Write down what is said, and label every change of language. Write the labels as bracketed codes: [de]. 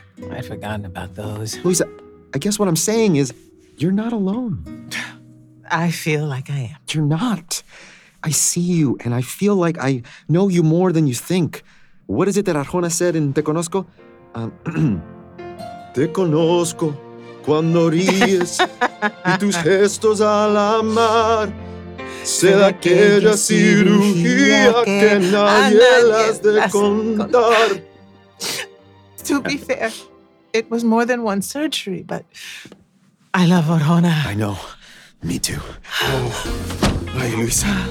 [en] I'd forgotten about those. Luisa, I guess what I'm saying is, you're not alone. I feel like I am. You're not. I see you, and I feel like I know you more than you think. What is it that Arjona said in Te Conozco? [es] Te conozco cuando ríes y tus gestos al amar. Sé de aquella cirugía que nadie las de contar. [en] To be fair, it was more than one surgery, but I love Arjona. I know. Me too. Oh, my Luisa.